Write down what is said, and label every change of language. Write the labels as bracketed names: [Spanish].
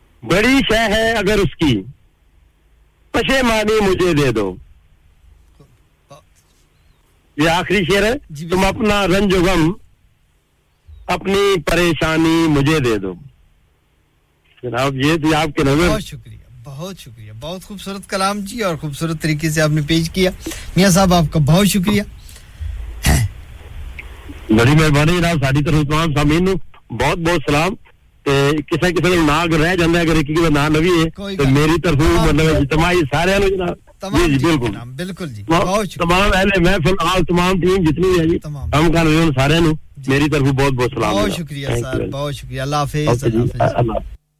[Urdu] بڑی شے ہے اگر اس کی پشیمانی مجھے دے دو یہ آخری شعر ہے تم اپنا رنج و غم اپنی پریشانی مجھے دے دو جناب یہ تھی آپ کے نظر بہت شکریہ بہت شکریہ بہت خوبصورت کلام جی اور خوبصورت طریقے سے آپ نے پیش کیا میاں صاحب آپ کا بہت شکریہ [Punjabi] بڑی مہربانی جناب ساری طرف تمام سامعین بہت بہت سلام تے کسے کسے دا ناں رہ جاندا اگر ایک ایک دا ناں لگے تے میری طرف مطلب اجتماعی سارے نوں جناب [Urdu] جی بالکل بالکل جی تمام اہل محفل آل تمام ٹیم جتنی ہے جی ہم کر رہے ہیں [Punjabi] سارے نوں [Urdu] میری طرف بہت بہت سلام بہت شکریہ سر بہت شکریہ اللہ حافظ اللہ حافظ